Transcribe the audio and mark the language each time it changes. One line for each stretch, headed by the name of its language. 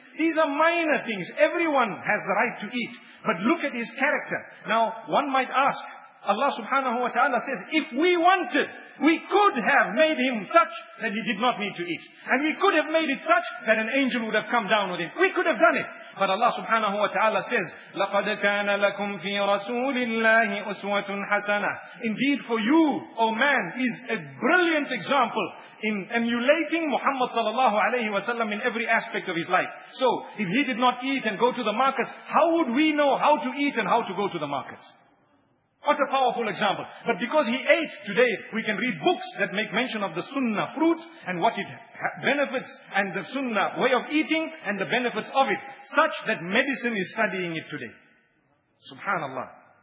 English: These are minor things. Everyone has the right to eat. But look at his character. Now, one might ask, Allah subhanahu wa ta'ala says, if we wanted, we could have made him such that he did not need to eat. And we could have made it such that an angel would have come down with him. We could have done it. But Allah subhanahu wa ta'ala says,
Arabic: لَقَدْ كَانَ لَكُمْ فِي رَسُولِ اللَّهِ أُسْوَةٌ حَسَنَةٌ.
English: Indeed for you, O man, is a brilliant example in emulating Muhammad sallallahu alayhi wa sallam in every aspect of his life. So, if he did not eat and go to the markets, how would we know how to eat and how to go to the markets? What a powerful example. But because he ate today, we can read books that make mention of the sunnah fruit and what it benefits and the sunnah way of eating and the benefits of it, such that medicine is studying it today. Subhanallah.